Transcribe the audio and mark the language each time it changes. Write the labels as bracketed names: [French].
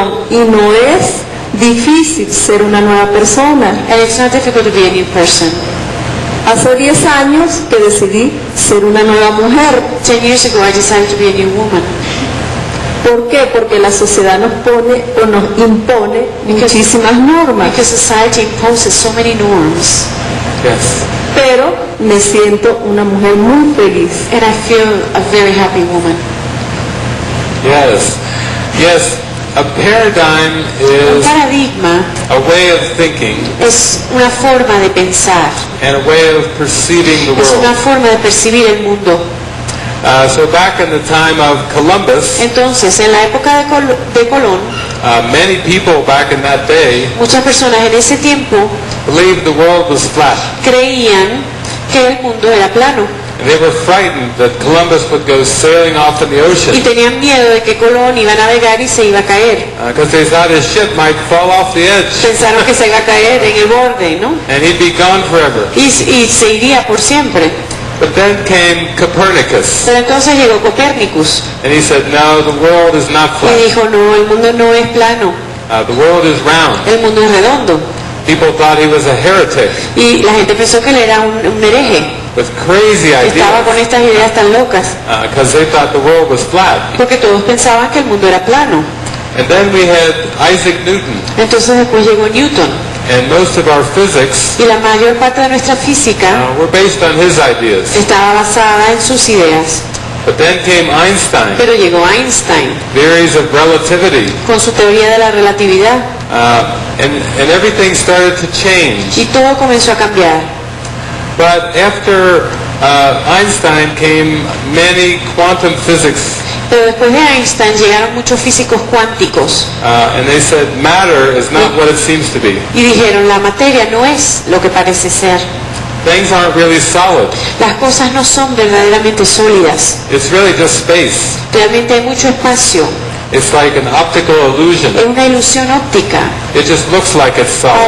[Spanish] Y no es difícil ser una nueva persona. [English] And it's not difficult to be a new person. [Spanish] Hace 10 años que decidí ser una nueva mujer. [English] 10 years ago I decided to be a new woman. [Spanish] ¿Por qué? Porque la sociedad nos pone o nos impone muchísimas normas. [English] Because society imposes so many norms. Yes. [Spanish] Pero me siento una mujer muy feliz. [English] And I feel a very happy woman. Yes. Yes. A paradigm is a way of thinking. [Spanish] Es una forma de pensar. [English] And a way of perceiving the world. [Spanish] Es una forma de percibir el mundo. [English] So back in the time of Columbus. [Spanish] Entonces, en la época de Colón. [English] Many people back in that day. [Spanish] Muchas personas en ese tiempo. [English] Believed the world was flat. [Spanish] Creían que el mundo era plano. [English] And they were frightened that Columbus would go sailing off in the ocean. [Spanish] Y tenían miedo de que Colón iba a navegar y se iba a caer. [English] Because they thought his ship might fall off the edge. [Spanish] Pensaron que se iba a caer en el borde, ¿no? [English] And he'd be gone forever. [Spanish] Y se iría por siempre. [English] But then came Copernicus. [Spanish] Pero entonces llegó Copérnicus. [English] And he said, "No, the world is not flat." [Spanish] Y dijo, no, el mundo no es plano. [English] The world is round. [Spanish] El mundo es redondo. [English] People thought he was a heretic. [Spanish] Y la gente pensó que él era un hereje. [English] With crazy ideas. [Spanish] Estaba con estas ideas tan locas. [English] Because they thought the world was flat. [Spanish] Porque todos pensaban que el mundo era plano. [English] And then we had Isaac Newton. [Spanish] Entonces después llegó Newton. [English] And most of our physics. [Spanish] Y la mayor parte de nuestra física. [English] Were based on his ideas. [Spanish] Estaba basada en sus ideas. [English] But then came Einstein. [Spanish] Pero llegó Einstein. [English] Theories of relativity. [Spanish] Con su teoría de la relatividad. [English] And everything started to change. [Spanish] Y todo comenzó a cambiar. [English] But after Einstein came many quantum physics. [Spanish] Pero después de Einstein llegaron muchos físicos cuánticos. [English] And they said matter is not what it seems to be. [Spanish] Y dijeron la materia no es lo que parece ser. [English] Things aren't really solid. [Spanish] Las cosas no son verdaderamente sólidas. [English] It's really just space. [Spanish] Realmente hay mucho espacio. [English] It's like an optical illusion. [Spanish] Es una ilusión óptica. [English] It just looks like it's solid.